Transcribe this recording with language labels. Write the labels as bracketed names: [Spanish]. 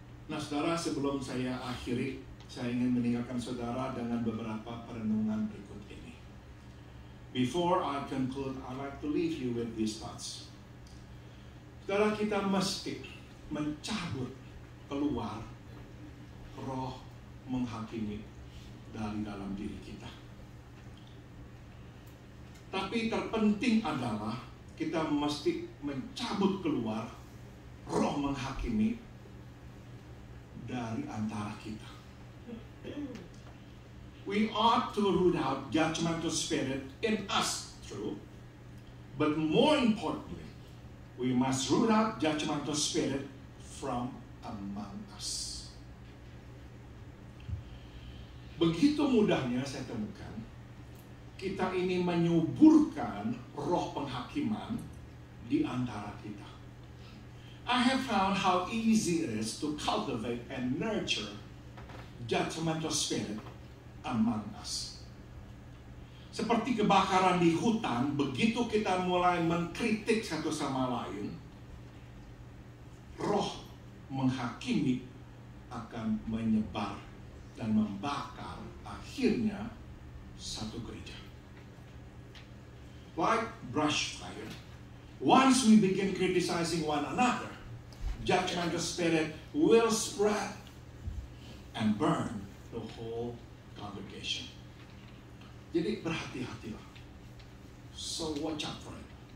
[Indonesian] Nah, saudara, sebelum saya akhiri, saya ingin meninggalkan saudara dengan beberapa perenungan berikut ini. [English] Before I conclude, I'd like to leave you with these thoughts. [Indonesian] Saudara, kita mesti mencabut keluar roh menghakimi dari dalam diri kita. Tapi terpenting adalah kita mesti mencabut keluar roh menghakimi dari antara kita. [English] We ought to root out judgmental spirit in us, true. But more importantly, we must root out judgmental spirit from among us. [Indonesian] Begitu mudahnya saya temukan, kita ini menyuburkan roh penghakiman di antara kita. [English] I have found how easy it is to cultivate and nurture judgmental spirit among us. [Indonesian] Seperti kebakaran di hutan, begitu kita mulai mengkritik satu sama lain, roh menghakimi akan menyebar dan membakar akhirnya satu gereja. [English] Like brush fire, once we begin criticizing one another, judgmental spirit will spread and burn the whole congregation. [Indonesian] Jadi berhati-hatilah. [English] So watch out for it.